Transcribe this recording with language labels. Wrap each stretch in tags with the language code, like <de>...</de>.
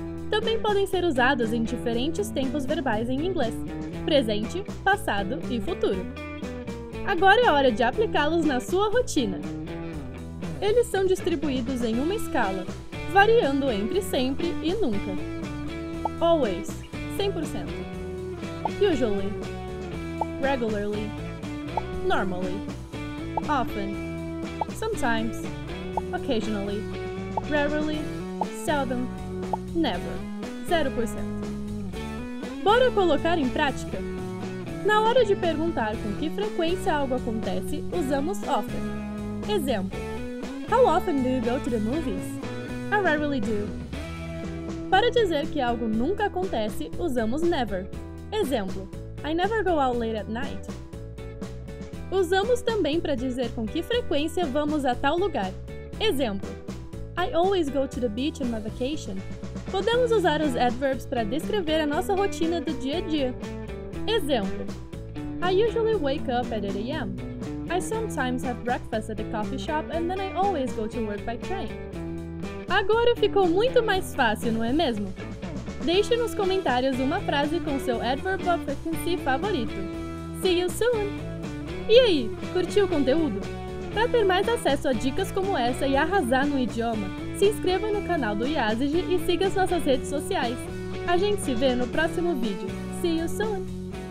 <pt>Também podem ser usados em diferentes tempos verbais em inglês: presente, passado e futuro. Agora é hora de aplicá-los na sua rotina. Eles são distribuídos em uma escala, variando entre sempre e nunca.</pt> <en>Always, 100%. Usually, regularly, normally. Often, sometimes, occasionally, rarely, seldom, never, 0%.</en> <pt>Bora colocar em prática? Na hora de perguntar com que frequência algo acontece, usamos often. Exemplo:</pt> <en>How often do you go to the movies? I rarely do.</en> <pt>Para dizer que algo nunca acontece, usamos never. Exemplo:</pt> <en>I never go out late at night.</en> <pt>Usamos também para dizer com que frequência vamos a tal lugar.</pt> <en>Exemplo: I always go to the beach on my vacation.</en> <pt>Podemos usar os adverbs para descrever a nossa rotina do dia a dia.</pt> <en>Exemplo: I usually wake up at 8 a.m. I sometimes have breakfast at the coffee shop and then I always go to work by train.</en> <pt>Agora ficou muito mais fácil, não é mesmo? Deixe nos comentários uma frase com seu adverb of frequency favorito.</pt> <en>See you soon!</en> <pt>E aí, curtiu o conteúdo? Para ter mais acesso a dicas como essa e arrasar no idioma, se inscreva no canal do Yazigi e siga as nossas redes sociais. A gente se vê no próximo vídeo.</pt> <en>See you soon!</en>